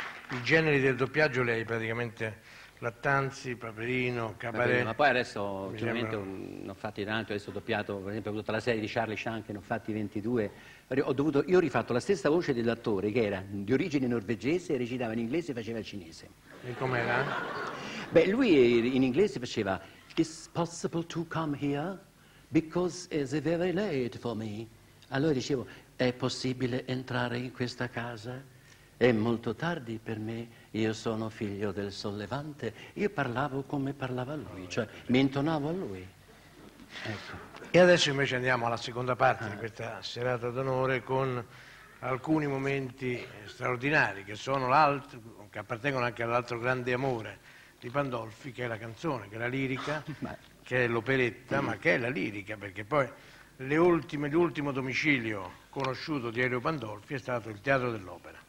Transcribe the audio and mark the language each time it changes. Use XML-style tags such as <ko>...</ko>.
<it>I generi del doppiaggio lei praticamente... Lattanzi, Paperino, Cabaret... Ma poi adesso, ultimamente, ne ho fatti tanti, adesso ho doppiato, per esempio, tutta la serie di Charlie Chan, ne ho fatti 22. Io ho rifatto la stessa voce dell'attore, che era di origine norvegese, recitava in inglese e faceva il cinese. E com'era? Beh, lui in inglese faceva...</it> <en>It's possible to come here because it's very late for me.</en> <it>Allora dicevo: è possibile entrare in questa casa? È molto tardi per me, io sono figlio del sollevante. Io parlavo come parlava lui, cioè mi intonavo a lui. Ecco. E adesso invece andiamo alla seconda parte di questa serata d'onore, con alcuni momenti straordinari che sono che appartengono anche all'altro grande amore di Pandolfi, che è la canzone, che è la lirica, che è l'operetta, ma che è la lirica, perché poi l'ultimo domicilio conosciuto di Elio Pandolfi è stato il Teatro dell'Opera.</it>